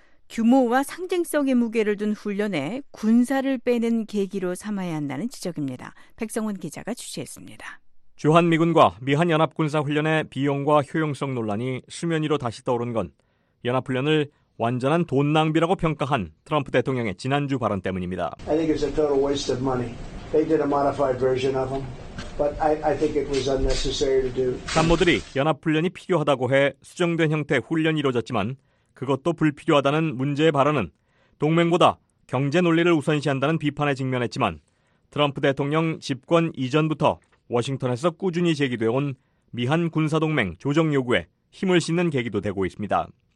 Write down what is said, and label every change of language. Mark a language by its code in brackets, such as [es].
[ko] 규모와 상징성의 무게를 둔 훈련에 군사를 빼는 계기로 삼아야 한다는 지적입니다. 백성훈 기자가 취재했습니다. 주한미군과 미한연합군사훈련의 비용과 효용성 논란이 수면 위로 다시 떠오른 건 연합훈련을 완전한 돈 낭비라고 평가한 트럼프 대통령의 지난주 발언 때문입니다. [en] I think it's a total waste of money. They did a modified version of them, but I think it was unnecessary to do. [ko] 참모들이 연합훈련이 필요하다고 해 수정된 형태 훈련이 이루어졌지만 그것도 불필요하다는 문제의 발언은 동맹보다 경제 논리를 우선시한다는 비판에 직면했지만 트럼프 대통령 집권 이전부터 워싱턴에서 꾸준히 제기되어 온 미한 군사동맹 조정 요구에 힘을 싣는 계기도 되고 있습니다.